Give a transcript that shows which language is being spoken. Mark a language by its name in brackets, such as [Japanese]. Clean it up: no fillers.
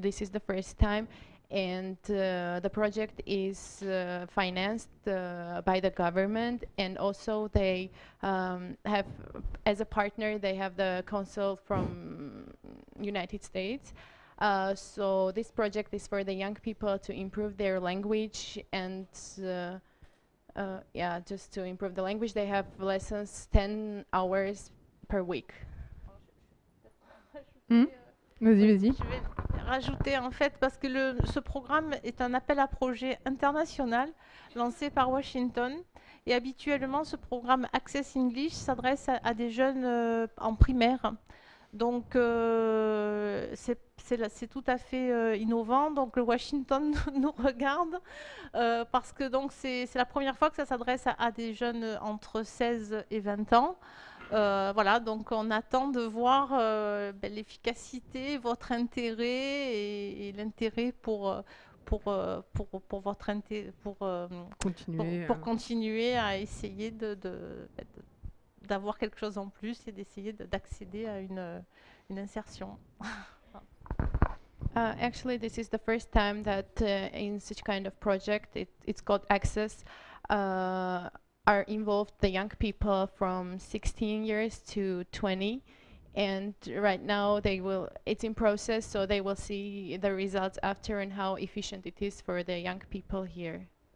[English] This is the first time, and the project is financed by the government, and also they have as a partner they have the council from United States. So this project is for the young people to improve their language and. Just to improve the language, they have lessons 10 hours per week. [French] Vas-y. Je vais rajouter, en fait, parce que ce programme est un appel à projet international lancé par Washington. Et habituellement, ce programme Access English s'adresse à des jeunes en primaire. Donc, c'est tout à fait innovant. Donc, le Washington nous regarde parce que donc c'est la première fois que ça s'adresse à des jeunes entre 16 et 20 ans. Voilà, donc on attend de voir l'efficacité, votre intérêt et l'intérêt pour continuer à essayer d'avoir quelque chose en plus et d'essayer d'accéder à une insertion. [English] Actually, this is the first time that in such kind of project, it's called Access, are involved the young people from 16 years to 20. And right now, it's in process, so they will see the results after and how efficient it is for the young people here.